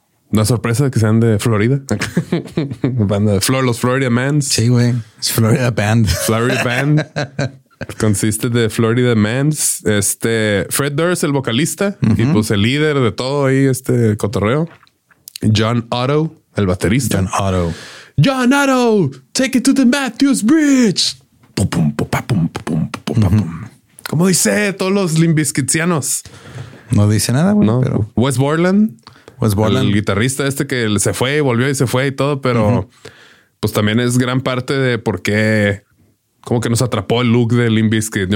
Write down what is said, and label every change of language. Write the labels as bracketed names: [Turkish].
[Spanish] La sorpresa de que sean de Florida. Banda de los Florida Mans. Sí, güey. Es Florida Band. Florida Band. Consiste de Florida Mans. Fred Durst, el vocalista. Y pues el líder de todo ahí, cotorreo. John Otto, el baterista. John Otto. [English] John Otto, take it to the Matthews Bridge. Pum, pum, pum, pa, pum, pum, pum, pum, pum. [Spanish] Como dice todos los Limp Bizkitianos. No dice nada, güey. No. Pero... Wes Borland. Pues Borland. El guitarrista que se fue y volvió y se fue y todo, pero pues también es gran parte de por qué como que nos atrapó el look de Limp Bizkit.